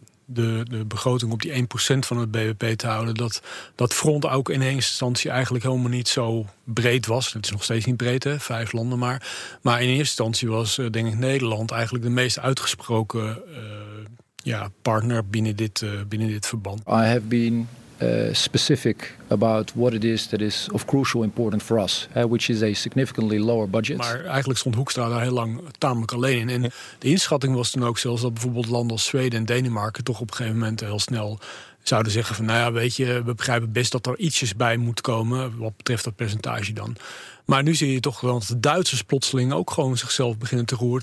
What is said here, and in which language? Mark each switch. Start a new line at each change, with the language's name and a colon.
Dutch: De begroting op die 1% van het BBP te houden... dat front ook in eerste instantie eigenlijk helemaal niet zo breed was. Het is nog steeds niet breed, hè? 5 landen maar. Maar in eerste instantie was, denk ik, Nederland... eigenlijk de meest uitgesproken partner binnen dit verband.
English: I have been specific about what it is that is of crucial important for us... which is a significantly lower budget.
Dutch: Maar eigenlijk stond Hoekstra daar heel lang tamelijk alleen in. En de inschatting was toen ook zelfs dat bijvoorbeeld landen als Zweden en Denemarken... toch op een gegeven moment heel snel zouden zeggen van... nou ja, weet je, we begrijpen best dat er ietsjes bij moet komen... wat betreft dat percentage dan. Maar nu zie je toch dat de Duitsers plotseling ook gewoon zichzelf beginnen te roeren...